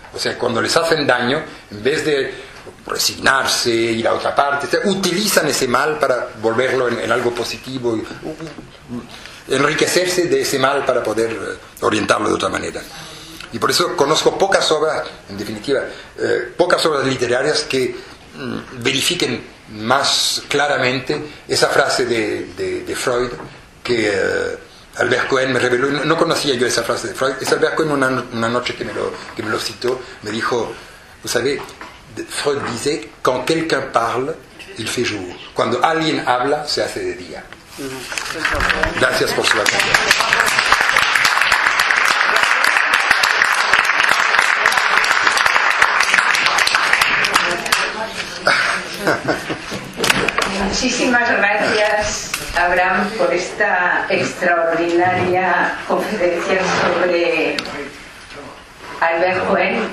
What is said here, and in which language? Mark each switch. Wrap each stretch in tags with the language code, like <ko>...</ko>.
<es>O sea, cuando les hacen daño, en vez de resignarse, ir a otra parte, utilizan ese mal para volverlo en algo positivo, enriquecerse de ese mal para poder orientarlo de otra manera. Y por eso conozco pocas obras, en definitiva, pocas obras literarias que verifiquen más claramente esa frase de Freud que Albert Cohen me reveló. No conocía yo esa frase de Freud. Es Albert Cohen una noche que me lo citó, me dijo,</es> <fr>vous savez,</fr> <es>Freud dice,</es> <fr>quand quelqu'un parle, il fait jour.</fr> <es>Cuando alguien habla, se hace de día. Gracias por su atención. Muchísimas gracias, Abraham, por esta extraordinaria conferencia sobre Albert Cohen.</es>